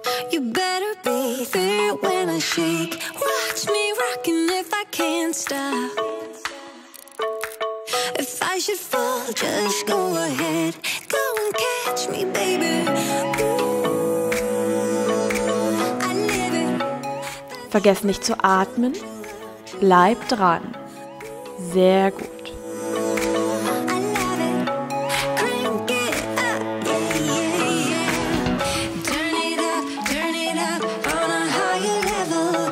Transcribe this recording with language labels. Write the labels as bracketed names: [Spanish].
[English] You better be there when I shake. Watch me rocking if I can't stop. I should fall, just go ahead, go and catch me, baby. Ooh, I live it. [German] Vergesst nicht zu atmen, bleib dran. Sehr gut. [English] I love it. Crank it up, yeah, yeah, yeah. Turn it up on a higher level.